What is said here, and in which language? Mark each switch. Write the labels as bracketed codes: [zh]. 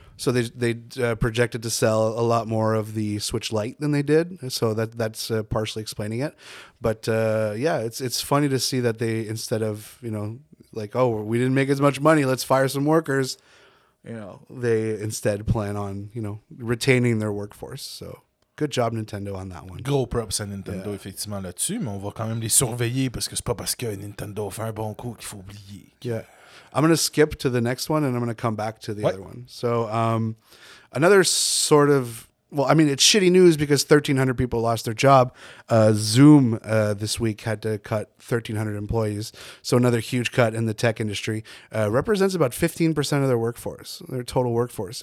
[en] So they projected to sell a lot more of the Switch Lite than they did. So that's partially explaining it. But yeah, it's funny to see that they, instead of, you know, like, oh, we didn't make as much money, let's fire some workers. You know, they instead plan on, you know, retaining their workforce, so... Good job, Nintendo, on that one. [fr] Gros props à Nintendo, effectivement, là-dessus, mais on va quand même les surveiller parce que c'est pas parce que Nintendo fait un bon coup qu'il faut oublier. [en] Yeah. I'm going to skip to the next one and I'm going to come back to the other one. So, another sort of, well, I mean, it's shitty news because 1,300 people lost their job. Zoom this week had to cut 1,300 employees. So, another huge cut in the tech industry. Represents about 15% of their workforce, their total workforce.